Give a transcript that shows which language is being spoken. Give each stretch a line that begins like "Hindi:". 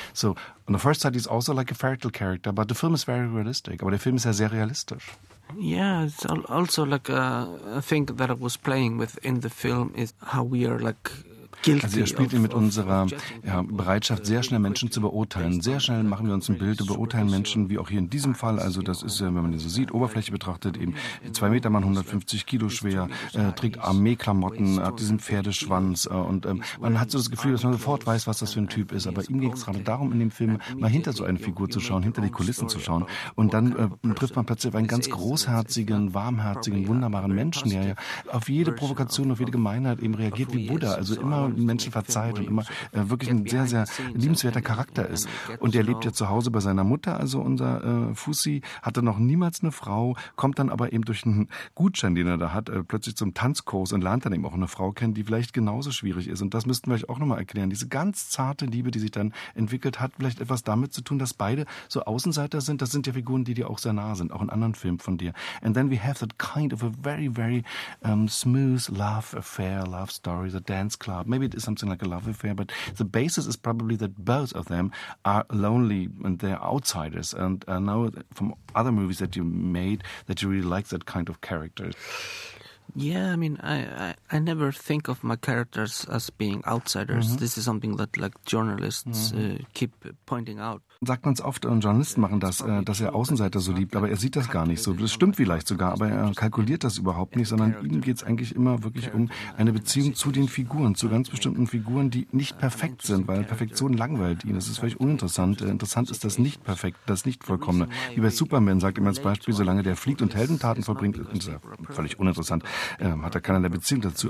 English: So on the first side, he's also like a fairy tale character, but the film is very realistic.
German: Aber der Film ist ja sehr realistisch.
English: Yeah, it's also like a thing that I was playing with in the film is how we are like.
German: Also er spielt mit unserer Bereitschaft, sehr schnell Menschen zu beurteilen. Sehr schnell machen wir uns ein Bild, beurteilen Menschen, wie auch hier in diesem Fall. Also das ist, wenn man ihn so sieht, Oberfläche betrachtet, eben 2 Meter Mann, 150 Kilo schwer, trägt Armeeklamotten, hat diesen Pferdeschwanz und man hat so das Gefühl, dass man sofort weiß, was das für ein Typ ist. Aber ihm geht es gerade darum, in dem Film mal hinter so eine Figur zu schauen, hinter die Kulissen zu schauen. Und dann trifft man plötzlich auf einen ganz großherzigen, warmherzigen, wunderbaren Menschen, der ja auf jede Provokation, auf jede Gemeinheit eben reagiert wie Buddha. Also immer Menschen verzeiht und immer wirklich ein sehr, sehr liebenswerter Charakter ist. Und der lebt ja zu Hause bei seiner Mutter, also unser Fussi, hatte noch niemals eine Frau, kommt dann aber eben durch einen Gutschein, den er da hat, plötzlich zum Tanzkurs und lernt dann eben auch eine Frau kennen, die vielleicht genauso schwierig ist. Und das müssten wir euch auch nochmal erklären. Diese ganz zarte Liebe, die sich dann entwickelt, hat vielleicht etwas damit zu tun, dass beide so Außenseiter sind. Das sind ja Figuren, die dir auch sehr nahe sind, auch in anderen Filmen von dir.
English: And then we have that kind of a very, very smooth love affair, love story, the dance club. Maybe it is something like a love affair, but the basis is probably that both of them are lonely and they're outsiders. And I know from other movies that you made that you really like that kind of character. Yeah, I mean, I never think of my characters as being outsiders. Mm-hmm. This is something that like journalists keep pointing out.
German: Sagt man es oft, und Journalisten machen das, dass er Außenseiter so liebt, aber er sieht das gar nicht so. Das stimmt vielleicht sogar, aber er kalkuliert das überhaupt nicht, sondern ihm geht es eigentlich immer wirklich um eine Beziehung zu den Figuren, zu ganz bestimmten Figuren, die nicht perfekt sind, weil Perfektion langweilt ihn. Das ist völlig uninteressant. Interessant ist das nicht perfekt, das nicht vollkommene. Wie bei Superman sagt immer als Beispiel, solange der fliegt und Heldentaten vollbringt, ist er völlig uninteressant, hat er keinerlei Beziehung dazu.